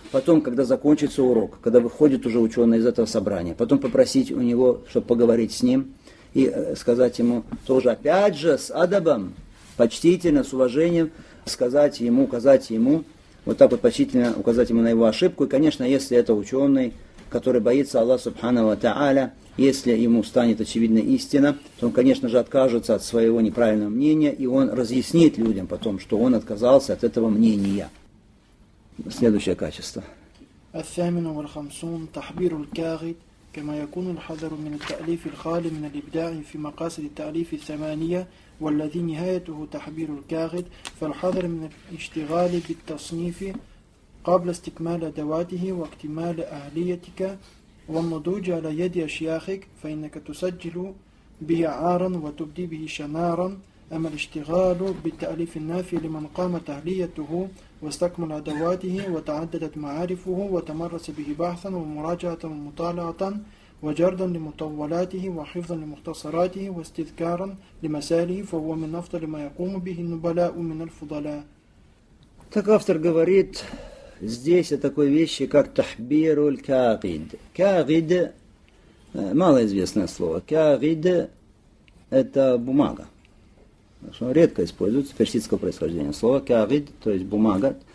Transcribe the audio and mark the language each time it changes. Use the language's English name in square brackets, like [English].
[Russian] Потом, когда закончится урок, когда выходит уже ученый из этого собрания, потом попросить у него, чтобы поговорить с ним и сказать ему тоже, опять же, с адабом, почтительно, с уважением, сказать ему, указать ему, вот так вот почтительно указать ему на его ошибку. И, конечно, если это ученый, который боится Аллаха Субхана ва Тааля, если ему станет очевидна истина, то он, конечно же, откажется от своего неправильного мнения, и он разъяснит людям потом, что он отказался от этого мнения. Следующее качество. [Arabic] الثامن والخمسون تحبير الكاغد كما يكون الحذر من التأليف الخالي من الإبداع في مقاصد التأليف الثمانية والذي نهايته تحبير الكاغد فالحذر من الاشتغال بالتصنيف قبل استكمال أدواته واكتمال أهليتك والنضوج على يد أشياخك فإنك تسجل به عارا وتبدي به شنارا أما الاشتغال بالتأليف النافي لمن قام تهليته واستكمل أدواته وتعددت معارفه وتمرس به بحثا ومراجعة ومطالعة وجردا لمطولاته وحفظا لمختصراته واستذكارا لمساله فهو من أفضل ما يقوم به النبلاء من الفضلاء. [Russian] Так автор говорит здесь о такой вещи, как [Arabic] تحبير الكاغد. [Russian] كاغد малоизвестное слово. كاغد это бумага. Что редко используется, персидского происхождения. Слово «кагид», то есть бумага.